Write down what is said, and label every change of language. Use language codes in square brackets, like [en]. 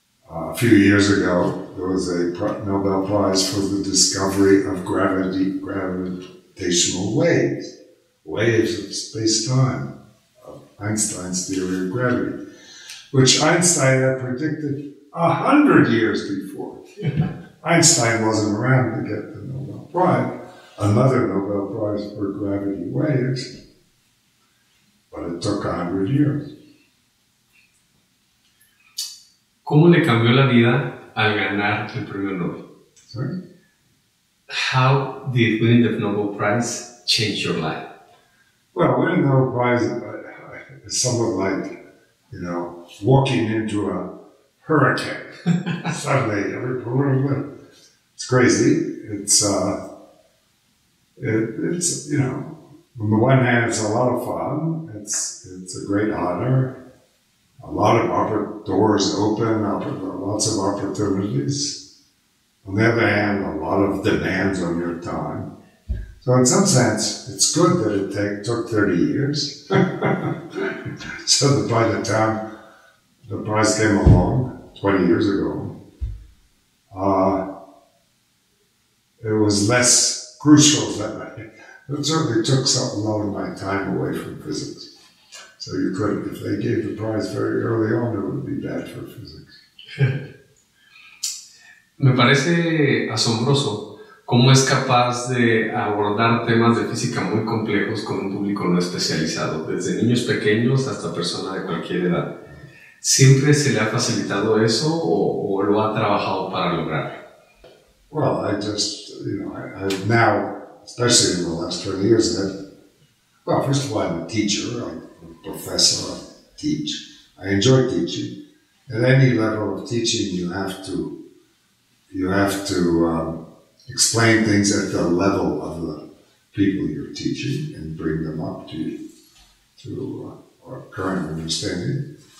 [en] A few years ago, there was a Nobel Prize for the discovery of gravitational waves, waves of space-time, of Einstein's theory of gravity, which Einstein had predicted 100 years before. Einstein wasn't around to get the Nobel Prize, another Nobel Prize for gravity waves, but it took 100 years. [es] ¿Cómo le cambió la vida al ganar el Premio Nobel? [en] Sorry? How did winning the Nobel Prize change your life? Well, winning the Nobel Prize is somewhat like, you know, walking into a hurricane. Suddenly, it's crazy. It's you know, on the one hand, it's a lot of fun. It's a great honor. A lot of doors open, lots of opportunities. On the other hand, a lot of demands on your time. So in some sense, it's good that it took 30 years. So that by the time the prize came along, 20 years ago, it was less crucial that it certainly took a lot of my time away from physics. So you couldn't, if they gave the prize very early on, it would be bad for physics. [es] Me parece asombroso cómo es capaz de abordar temas de física muy complejos con un público no especializado, desde niños pequeños hasta personas de cualquier edad. ¿Siempre se le ha facilitado eso o lo ha trabajado para lograrlo? [en] Well, I just, you know, I've now, especially in the last 20 years, well, first of all, I'm a teacher, I'm a professor, I teach. I enjoy teaching. At any level of teaching, you have to explain things at the level of the people you're teaching and bring them up to our current understanding.